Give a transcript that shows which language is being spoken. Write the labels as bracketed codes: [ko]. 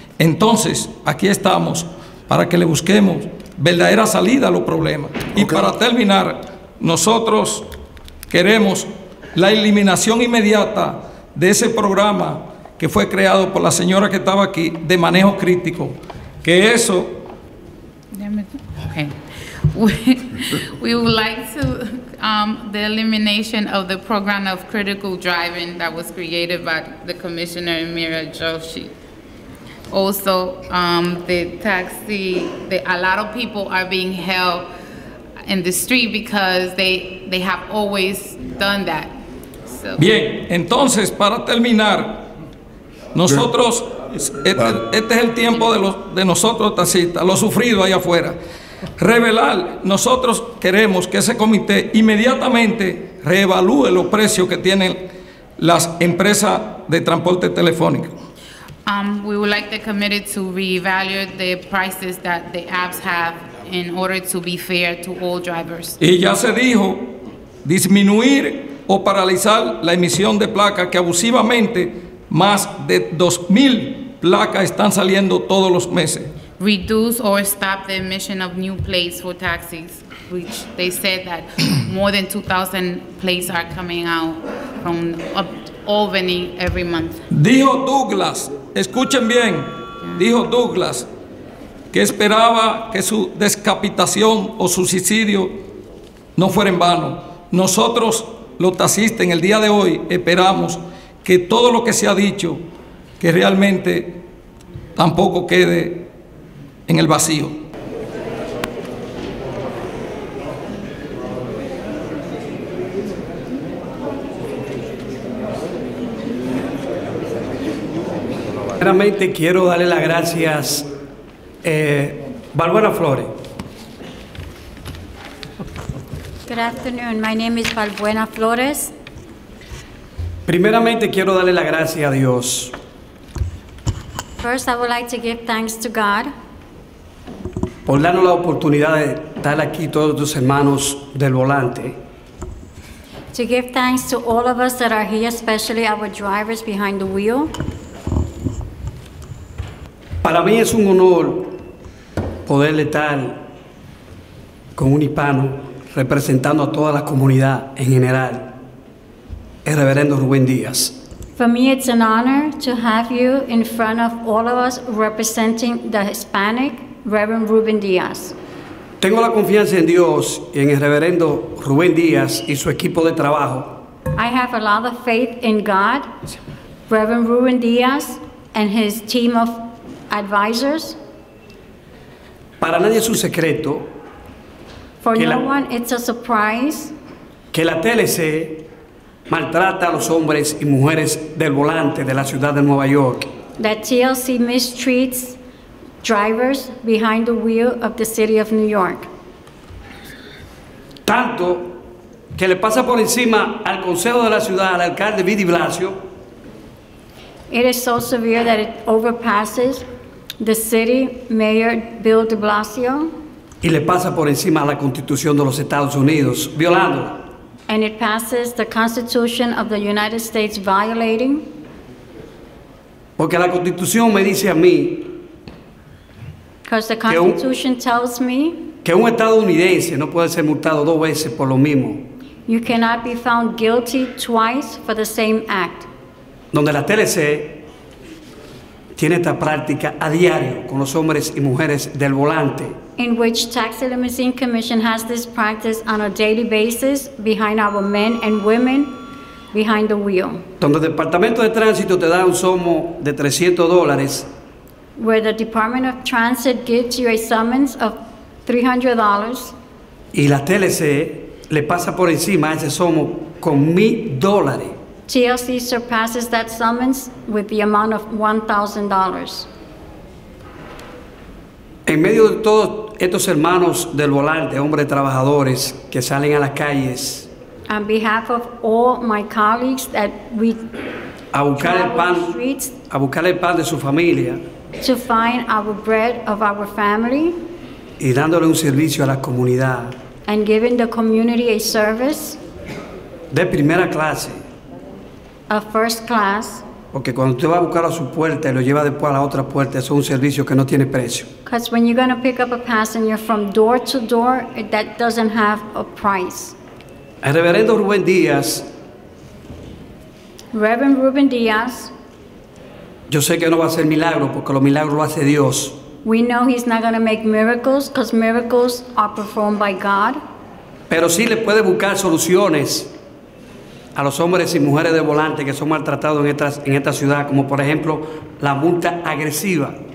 [es] Entonces, aquí estamos para que le busquemos verdadera salida a los problemas. Okay. Y para terminar, nosotros queremos la eliminación inmediata de ese programa que fue creado por la señora que estaba aquí, de manejo crítico. Que eso... [en] We would like to the elimination of the program of critical driving that was created by the Commissioner Mira Joshi. Also, the taxi, a lot of people are being held in the street because they have always done that. So. [es] Bien, entonces, para terminar, nosotros, este es el tiempo de nosotros, taxistas, lo sufrido allá afuera. Revelar, nosotros queremos que ese comité inmediatamente reevalúe los precios que tienen las empresas de transporte telefónico. [en] We would like the committee to reevaluate the prices that the apps have in order to be fair to all drivers. [es] Y ya se dijo, disminuir o paralizar la emisión de placas, que abusivamente más de 2,000 placas están saliendo todos los meses. [en] Reduce or stop the emission of new plates for taxis, which they said that more than 2,000 plates are coming out from Albany every month. [es] Dijo Douglas, escuchen bien, dijo Douglas, que esperaba que su descapitación o su suicidio no fuera en vano. Nosotros, los taxistas, en el día de hoy, esperamos que todo lo que se ha dicho, que realmente tampoco quede en el vacío. Primeramente quiero darle las gracias a Bárbara Flores. [en] Good afternoon, my name is Balbuena Flores. [es] Primeramente quiero darle las gracias a Dios. [en] First, I would like to give thanks to God. [es] Por darnos la oportunidad de estar aquí todos tus hermanos del volante. [en] To give thanks to all of us that are here, especially our drivers behind the wheel. [es] Para mí es un honor poder estar con un hispano representando a toda la comunidad en general, el reverendo Rubén Díaz. [en] For me, it's an honor to have you in front of all of us representing the Hispanic, Reverend Rubén Díaz. [es] Tengo la confianza en Dios y en el reverendo Rubén Díaz y su equipo de trabajo. [en] I have a lot of faith in God, Reverend Rubén Díaz, and his team of advisors. [es] Para nadie es un secreto. [en] For no one, it's a surprise. [es] Que la TLC maltrata a los hombres y mujeres del volante de la ciudad de Nueva York. [en] That TLC mistreats drivers behind the wheel of the city of New York. [es] Tanto que le pasa por encima al consejo de la ciudad, al alcalde Vidi Blasio. [en] It is so severe that it overpasses the city mayor Bill de Blasio. [es] Y le pasa por encima a la Constitución de los Estados Unidos, violándola. [en] And it passes the Constitution of the United States, violating. [es] Porque la Constitución me dice a mí. [en] Because the Constitution tells me. [es] Que un estadounidense no puede ser multado dos veces por lo mismo. [en] You cannot be found guilty twice for the same act. [es] Donde la TLC tiene esta práctica a diario con los hombres y mujeres del volante. [en] In which Taxi Limousine Commission has this practice on a daily basis behind our men and women behind the wheel. [es] Donde el Departamento de Tránsito te da un somo de $300. [en] Where the Department of Transit gives you a summons of $300. [es] Y la TLC le pasa por encima a ese somo con $1,000. [en] TLC surpasses that summons with the amount of $1,000. [es] En medio de todos estos hermanos del volante, hombres trabajadores que salen a las calles. [en] On behalf of all my colleagues that we [es] a buscar el pan, [en] the streets, [es] a buscar el pan de su familia. [en] To find our bread of our family. [es] Y dándole un servicio a la comunidad. [en] And giving the community a service. [es] De primera clase. [en] A first class. [es] Porque cuando usted va a buscar a su puerta y lo lleva después a la otra puerta, eso es un servicio que no tiene precio. [en] Because when you're going to pick up a passenger from door to door, that doesn't have a price. [es] El Reverendo Rubén Díaz. [en] Reverend Rubén Díaz. [es] Yo sé que no va a hacer milagro porque los milagros lo hace Dios. [en] We know he's not going to make miracles because miracles are performed by God. [es] Pero sí le puede buscar soluciones a los hombres y mujeres de volante que son maltratados en esta ciudad, como por ejemplo la multa agresiva.